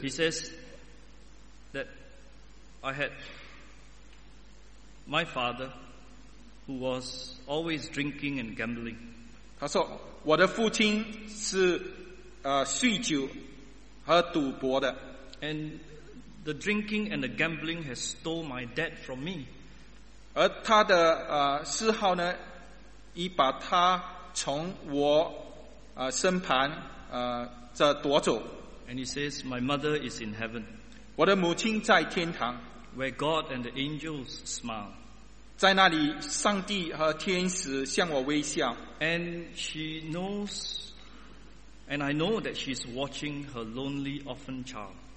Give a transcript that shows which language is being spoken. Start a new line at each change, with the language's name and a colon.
English: He says that I had my father who was always drinking and gambling.
Chinese: 他说我的父亲是酗酒。和赌博的,
English: and the drinking and the gambling has stole my dad from me.
Chinese: 而他的嗜好呢，已把他从我身旁夺走。
English: And he says, "My mother is in heaven."
Chinese: 我的母亲在天堂,
English: where God and the angels smile.
Chinese: 在那里，上帝和天使向我微笑。
English: And she knows. And I know that she's watching her lonely orphan child.